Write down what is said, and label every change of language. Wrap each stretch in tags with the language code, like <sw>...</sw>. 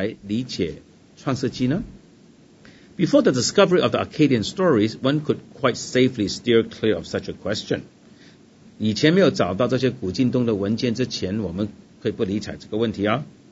<zh>所以我们是不是应该用神话这个观念来理解创世纪呢?</zh> <en>Before the discovery of the Akkadian stories, one could quite safely steer clear of such a question.</en> <zh>以前没有找到这些古近东的文件之前，我们可以不理睬这个问题啊。</zh>